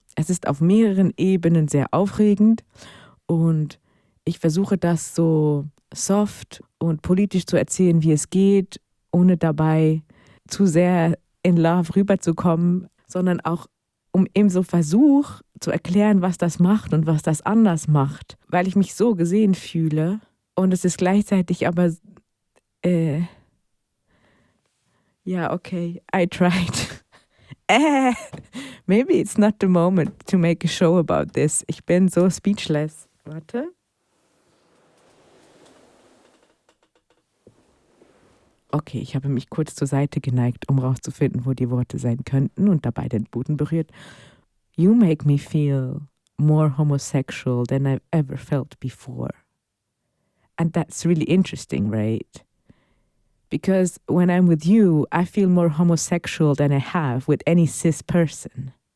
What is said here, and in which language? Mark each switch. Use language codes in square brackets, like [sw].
[de] Es ist auf mehreren Ebenen sehr aufregend und ich versuche das so soft und politisch zu erzählen, wie es geht, ohne dabei zu sehr [en] in love [de] rüberzukommen, sondern auch um eben so Versuch zu erklären, was das macht und was das anders macht, weil ich mich so gesehen fühle und es ist gleichzeitig aber, ja, okay, [en] I tried. Maybe it's not the moment to make a show about this. [de] Ich bin so speechless. Warte. Okay, ich habe mich kurz zur Seite geneigt, um rauszufinden, wo die Worte sein könnten und dabei den Boden berührt. [en] You make me feel more homosexual than I've ever felt before. And that's really interesting, right? Because when I'm with you, I feel more homosexual than I have with any cis person.